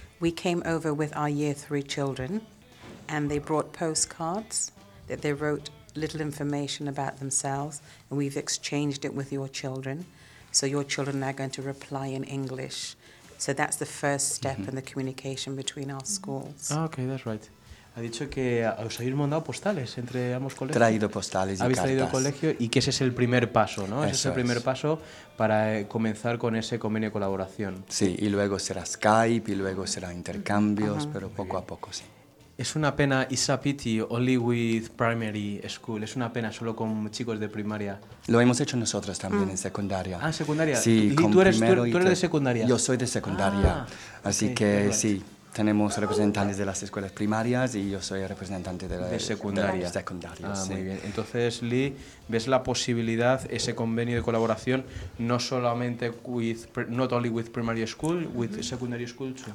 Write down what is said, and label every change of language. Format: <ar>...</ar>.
<en>We came over with our year 3 children, and they brought postcards that they wrote little information about themselves, and we've exchanged it with your children. So your children are going to reply in English. So that's the first step in the communication between our schools. Ah, okay, that's right.</en> <es>Ha dicho que os habéis mandado postales entre ambos colegios. Traído postales y habéis cartas. Traído el colegio y que ese es el primer paso, ¿no? Eso ese es el primer paso para comenzar con ese convenio de colaboración. Sí, y luego será Skype y luego será intercambios, pero poco a poco, sí. Es una pena,</es> <en>it's a pity, only with primary school.</en> <es>Es una pena, solo con chicos de primaria. Lo hemos hecho nosotros también en secundaria. Ah, secundaria. Sí, ¿Y tú eres de secundaria? Yo soy de secundaria. Ah, así okay, que sí, tenemos representantes de las escuelas primarias y yo soy representante de la secundaria. De la secundaria, ah, sí. Muy bien. Entonces, Lee, ¿ves la posibilidad, ese convenio de colaboración, no solamente</es> <en>with, not only with primary school, with secondary school too?</en>